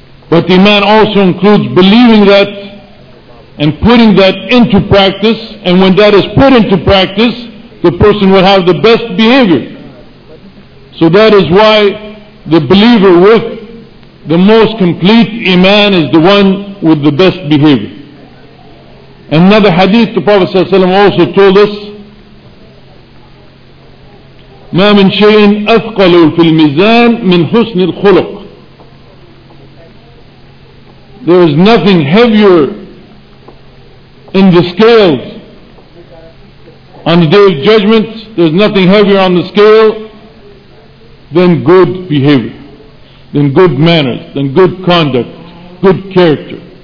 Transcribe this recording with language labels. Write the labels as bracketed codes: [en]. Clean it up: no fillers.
[en] But iman also includes believing that and putting that into practice. And when that is put into practice, the person will have the best behavior. So that is why the believer with the most complete iman is the one with the best behavior. [ar] Another hadith, the Prophet ﷺ also told us, ما من شيء أثقل في الميزان من حسن الخلق. [en] There is nothing heavier in the scales on the day of judgment. There is nothing heavier on the scale than good behavior, than good manners, than good conduct, good character.